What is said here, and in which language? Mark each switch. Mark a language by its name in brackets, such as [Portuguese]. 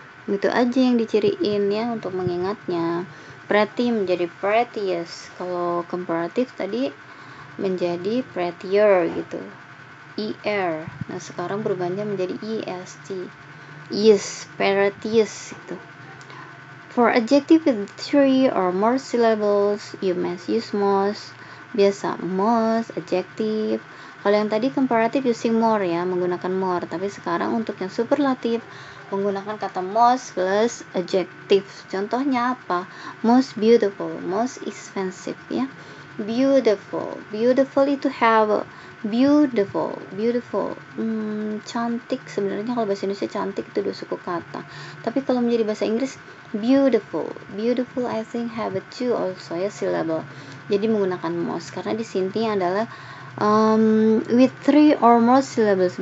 [Indonesian] Itu aja yang diciriin ya untuk mengingatnya. Pretty menjadi prettiest, kalau komparatif tadi menjadi prettier gitu. IR. Nah, sekarang berubahnya menjadi IST. [English] Yes, prettiest gitu. For adjective with three or more syllables, you must use most. [Indonesian] Biasa, most, adjective. Kalau yang tadi comparative [English] using more [Indonesian] ya, menggunakan more. Tapi sekarang untuk yang superlatif, menggunakan kata most plus adjective. Contohnya apa? Most beautiful, most expensive ya. [English] Beautiful, beautiful itu have beautiful, beautiful. [Indonesian] Cantik, sebenarnya kalau bahasa Indonesia cantik itu dua suku kata. Tapi kalau menjadi bahasa Inggris, beautiful. [English] Beautiful I think have a two also ya, syllable. [Indonesian] Jadi menggunakan most karena di sini adalah [English] with three or more syllables.